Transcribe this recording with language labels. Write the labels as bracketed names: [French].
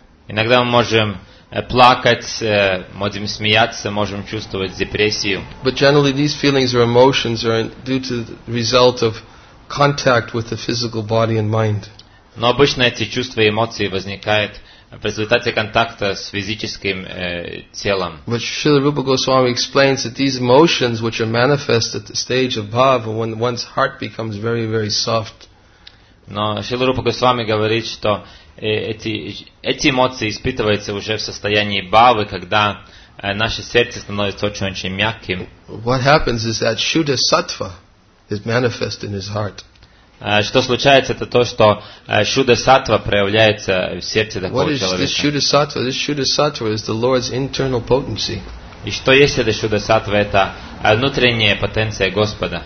[Russian] Иногда мы можем плакать, можем смеяться, можем чувствовать депрессию. [English] But generally these feelings or emotions are due to the result of contact with the physical body and mind. [Russian] Но обычно эти чувства и эмоции возникают в результате контакта с физическим телом. [English] But Srila Rupa Goswami explains that these emotions which are manifest at the stage of bhava when one's heart becomes very, very soft. [Russian] Но Srila Rupa Goswami говорит, что эти эмоции испытываются уже в состоянии бхавы, когда наше сердце становится очень-очень мягким. [English] What happens is that Shuddha Sattva is manifest in his heart. [Russian] Что случается, это то, что шудасатва проявляется в сердце такого человека. [English] What is шудасатва? This шудасатва is the Lord's internal potency. [Russian] И что есть это шудасатва? Это внутренняя потенция Господа.